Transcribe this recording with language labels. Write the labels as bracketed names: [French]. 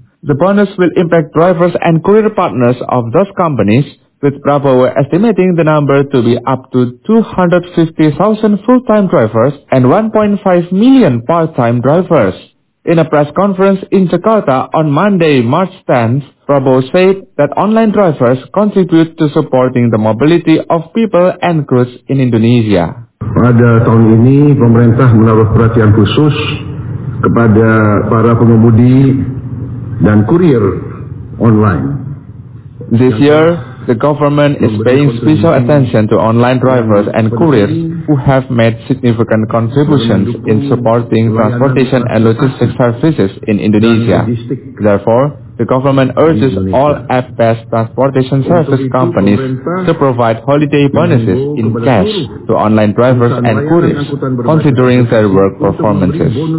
[English] The bonus will impact drivers and courier partners of those companies, with Prabowo estimating the number to be up to 250,000 full-time drivers and 1.5 million part-time drivers. In a press conference in Jakarta on Monday, March 10, Prabowo said that online drivers contribute to supporting the mobility of people and goods in Indonesia. [Indonesian] Pada tahun ini, pemerintah menaruh perhatian khusus kepada para pengemudi dan kurir online. [English] This year, the government is paying special attention to online drivers and couriers who have made significant contributions in supporting transportation and logistics services in Indonesia. Therefore, the government urges all app-based transportation service companies to provide holiday bonuses in cash to online drivers and couriers, considering their work performances.